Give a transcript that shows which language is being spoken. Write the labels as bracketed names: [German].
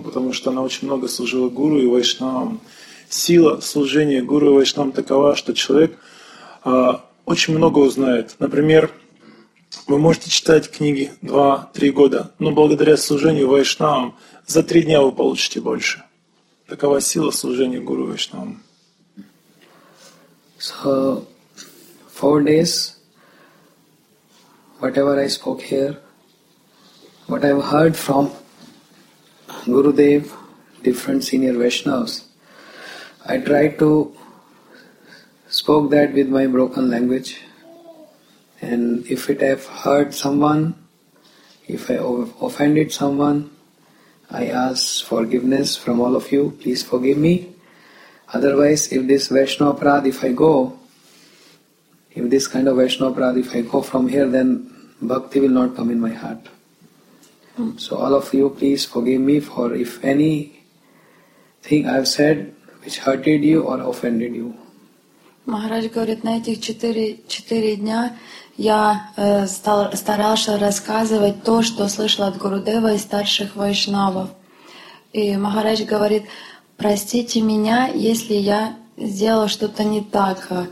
[Russian] Потому что она очень много служила Гуру и Вайшнавам. Сила служения Гуру и Вайшнавам такова, что человек очень много узнает. Например, вы можете читать книги 2-3 года, но благодаря служению Вайшнавам за 3 дня вы получите больше. Такова сила служения Гуру и Вайшнавам. [English] So, 4 days, whatever I spoke here, what I've heard from Gurudev, different senior Vaishnavas, I tried to spoke that with my broken language. And if it have hurt someone, if I offended someone, I ask forgiveness from all of you. Please forgive me. Otherwise, if this Vaishnava Prad, if this kind of Vaishnava Prad, if I go from here, then bhakti will not come in my heart. So all of you, please forgive me for if any thing I've said which hurted you or offended you. [Russian] Махарадж говорит, на этих 4 дня я старался рассказывать то, что слышал от Гурудева и старших вайшнавов. И Махарадж говорит, простите меня, если я сделал что-то не так.